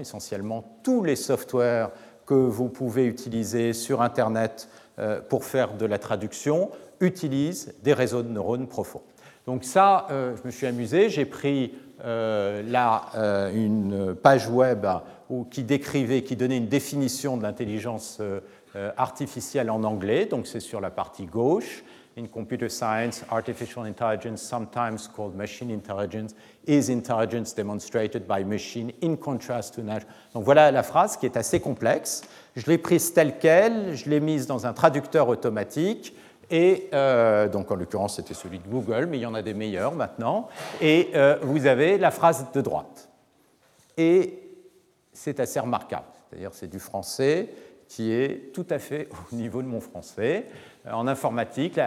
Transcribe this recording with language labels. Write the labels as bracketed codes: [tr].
[fr] Essentiellement, tous les softwares que vous pouvez utiliser sur Internet pour faire de la traduction utilisent des réseaux de neurones profonds. Donc ça, je me suis amusé, j'ai pris une page web qui donnait une définition de l'intelligence artificielle en anglais, donc c'est sur la partie gauche. [en] In computer science, artificial intelligence, sometimes called machine intelligence, is intelligence demonstrated by machine in contrast to natural. [fr] Donc voilà la phrase qui est assez complexe. Je l'ai prise telle quelle, je l'ai mise dans un traducteur automatique, et donc en l'occurrence c'était celui de Google, mais il y en a des meilleurs maintenant, et vous avez la phrase de droite. Et c'est assez remarquable, c'est-à-dire c'est du français qui est tout à fait au niveau de mon français en informatique.